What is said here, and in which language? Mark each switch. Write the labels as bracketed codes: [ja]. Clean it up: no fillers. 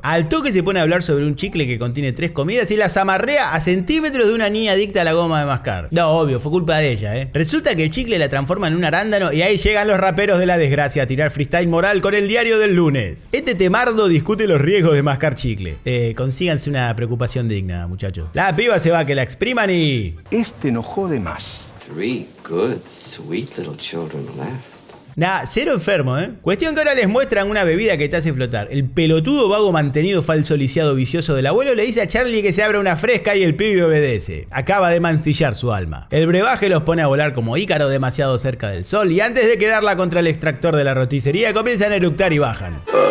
[es] Al toque se pone a hablar sobre un chicle que contiene tres comidas y las amarrea a centímetros de una niña adicta a la goma de mascar. No, obvio, fue culpa de ella, ¿eh? Resulta que el chicle la transforma en un arándano y ahí llegan los raperos de la desgracia a tirar freestyle moral con el diario del lunes. Este temardo discute los riesgos de mascar chicle. Consíganse una preocupación digna, muchachos. La piba se va, que la expriman y... Este no jode más. [en] Three good, sweet little children left. [es] Nah, cero enfermo, ¿eh? Cuestión que ahora les muestran una bebida que te hace flotar. El pelotudo vago mantenido falso lisiado vicioso del abuelo le dice a Charlie que se abra una fresca y el pibe obedece. Acaba de mancillar su alma. El brebaje los pone a volar como Ícaro demasiado cerca del sol y antes de quedarla contra el extractor de la rotisería comienzan a eructar y bajan.